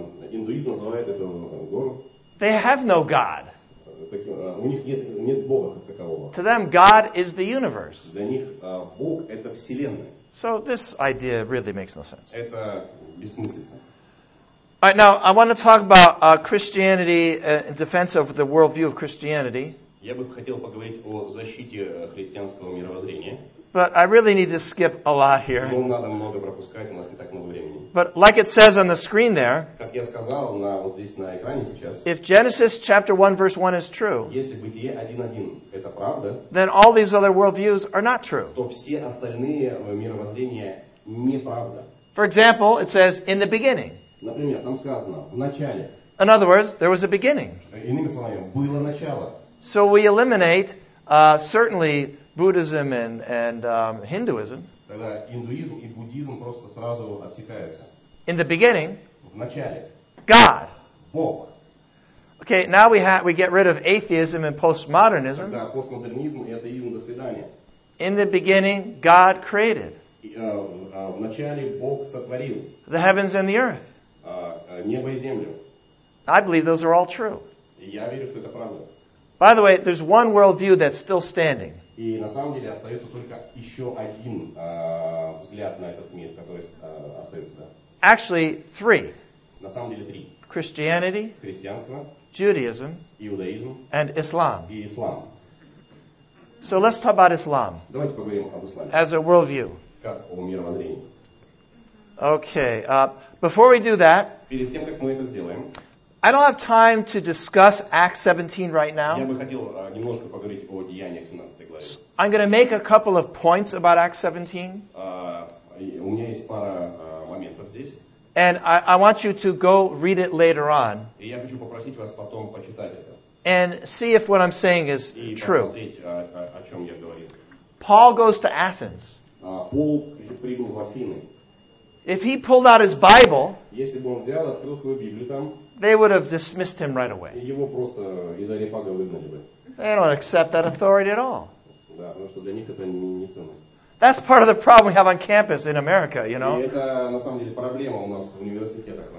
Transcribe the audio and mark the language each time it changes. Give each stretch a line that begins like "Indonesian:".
Russian: Индуизм называет эту гору.
English: They have no God.
Russian: У них нет Бога как такового.
English: To them, God is the universe.
Russian: Для них Бог это вселенная.
English: So this idea really makes no sense.
Russian: Это бессмыслица.
English: All right, now I want to talk about Christianity in defense of the worldview of Christianity.
Russian: Я бы хотел поговорить о защите христианского мировоззрения.
English: But I really need to skip a lot here.
Russian: Ну, надо много пропускать, у нас не так много времени.
English: But like it says on the screen there,
Russian: как я сказал, вот здесь на экране сейчас,
English: if Genesis chapter 1 verse 1 is true,
Russian: если Бытие 1:1 это правда,
English: then all these other worldviews are not true.
Russian: То все остальные мировоззрения неправда.
English: For example, it says in the beginning.
Russian: Например, там сказано в начале.
English: In other words, there was a beginning.
Russian: Иными словами, было начало.
English: So we eliminate certainly Buddhism and Hinduism.
Russian: Тогда индуизм и буддизм просто сразу отсекаются.
English: In the beginning,
Russian: в начале,
English: God.
Russian: Бог.
English: Okay, now we get rid of atheism and postmodernism.
Russian: Тогда постмодернизм и атеизм, до свидания.
English: In the beginning, God created.
Russian: В начале Бог сотворил.
English: The heavens and the earth.
Russian: Небо и землю.
English: I believe those are all true.
Russian: Я верю, что это правда.
English: By the way, there's one worldview that's still standing.
Russian: И на самом деле остается только еще один взгляд на этот мир, который остается, да.
English: Actually, three.
Russian: На самом деле три.
English: Christianity.
Russian: Христианство.
English: Judaism.
Russian: Иудаизм.
English: And Islam.
Russian: И ислам.
English: So let's talk about Islam.
Russian: Давайте поговорим об исламе.
English: As a worldview.
Russian: Как о мировоззрении.
English: Okay. Before we do that.
Russian: Перед тем, как мы это сделаем.
English: I don't have time to discuss Acts 17 right now.
Russian: Я бы хотел немножко поговорить о деяниях 17 главе.
English: I'm going to make a couple of points about Acts 17.
Russian: У меня есть пара моментов здесь.
English: And I want you to go read it later on.
Russian: И я хочу попросить вас потом почитать это.
English: And see if what I'm saying is true.
Russian: И посмотреть, о чем я говорю.
English: Paul goes to Athens.
Russian: Пол прибыл в Афины.
English: If he pulled out his Bible,
Russian: если бы он взял, открыл свою Библию там,
English: they would have dismissed him right away.
Russian: Его просто из Арипага выгнали бы.
English: They don't accept that authority at all.
Russian: Да, потому что для них это не ценность.
English: That's part of the problem we have on campus in America, you know.
Russian: И это на самом деле проблема у нас в университетах.